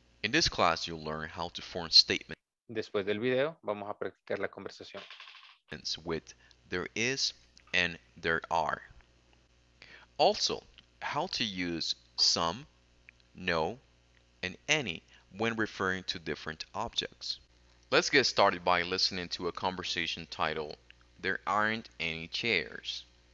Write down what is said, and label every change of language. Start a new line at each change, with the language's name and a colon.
English: In this class, you'll learn how to form statements.
Spanish: Después del video, vamos a practicar la conversación.
English: With there is and there are. Also, how to use some, no, and any when referring to different objects. Let's get started by listening to a conversation titled There Aren't Any Chairs.